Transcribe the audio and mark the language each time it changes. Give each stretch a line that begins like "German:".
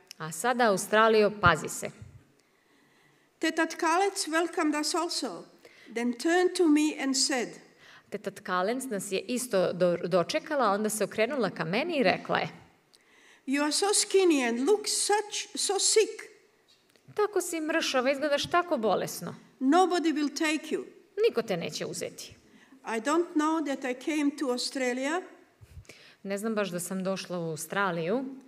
Serbian: A sada Australijo, pazi se.
English: Teta Tkalec welcomed us also, then turned to me and said.
Serbian: Teta Tkalec nas je isto dočekala, onda se okrenula ka meni i rekla je.
English: You are so skinny and look such so sick.
Serbian: Tako si mršava, izgledaš tako bolesno.
English: Nobody will take you.
Serbian: Niko te neće uzeti.
English: I don't know that I came to Australia.
Serbian: Ne znam baš da sam došla u Australiju.